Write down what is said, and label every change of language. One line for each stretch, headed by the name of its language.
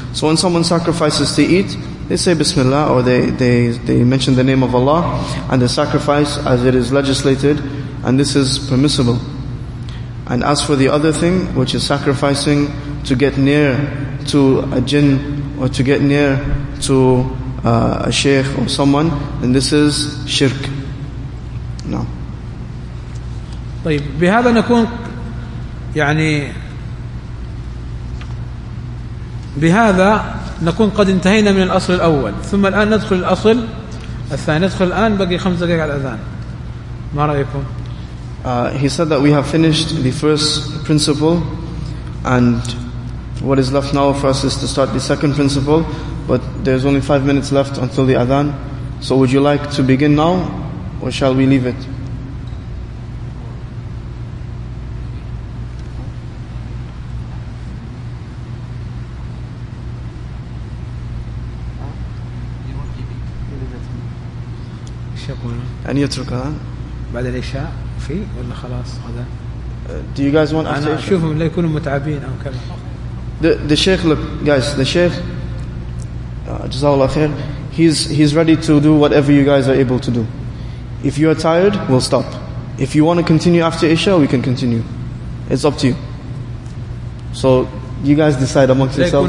English: So when someone sacrifices to eat, they say Bismillah, or they mention the name of Allah, and they sacrifice as it is legislated, and this is permissible. And as for the other thing, which is sacrificing to get near to a jinn, or to get near to a sheikh or someone, then this is shirk. No.
Arabic: طيب بهذا نكون يعني بهذا نكون قد انتهينا من الأصل الأول، ثم الآن ندخل الأصل الثاني. ندخل الآن، بقي خمس دقائق على الأذان، ما رأيكم؟
English: He said that we have finished the first principle, and what is left now for us is to start the second principle, but there's only 5 minutes left until the Adhan. So would you like to begin now, or shall we leave it?
Arabic: أن يترك الآن بعد العشاء في ولا خلاص هذا.
English: Do you guys want after?
Arabic: شوفهم لا يكونوا متعبين أو كذا.
English: The Sheikh, look guys, the Sheikh, Jazakallah khair, he's ready to do whatever you guys are able to do. If you are tired, we'll stop. If you want to continue after Isha, we can continue. It's up to you. So you guys decide amongst yourselves.